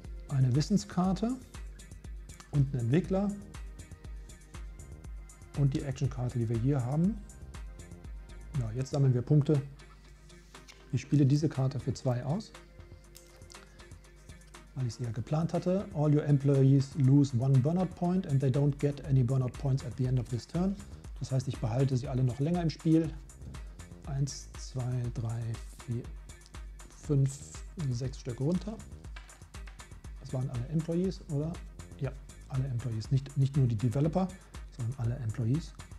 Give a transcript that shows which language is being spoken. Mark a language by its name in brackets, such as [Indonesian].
[German] Eine Wissenskarte und ein Entwickler und die Actionkarte, die wir hier haben. Ja, jetzt sammeln wir Punkte. Ich spiele diese Karte für 2 aus, weil ich sie ja geplant hatte. [English] All your employees lose 1 burnout point and they don't get any burnout points at the end of this turn. [German] Das heißt, ich behalte sie alle noch länger im Spiel. 1, 2, 3, 4, 5, 6 Stück runter. Das waren alle Employees, oder? Ja, alle Employees. Nicht nur die Developer, sondern alle Employees.